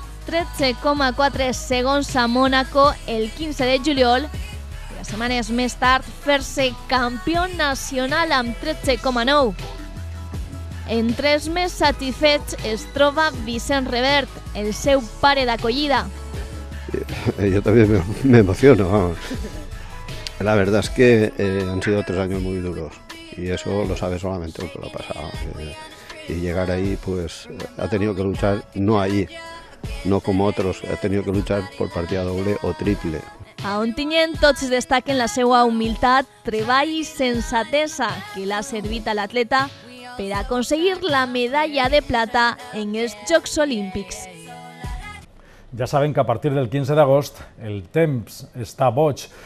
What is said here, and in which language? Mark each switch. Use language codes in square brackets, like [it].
[ca] 13,4 segons a Mònaco el 15 de juliol i les setmanes més tard fer-se campió nacional amb 13,9. En 3 més satisfets es troba Vicent Revert, el seu pare d'acollida. [es] Yo también me emociono. La verdad es que han sido 3 años muy duros y eso lo sabe solamente el que lo ha pasado. Y llegar ahí pues ha tenido que luchar, no allí, no como otros, ha tenido que luchar por partida doble o triple. [ca] A Ontinyent tots destaquen la seva humilitat, treball i sensatesa que l'ha servit a l'atleta per aconseguir la medalla de plata en els Jocs Olímpics. Ja saben que a partir del 15 d'agost el temps està boig.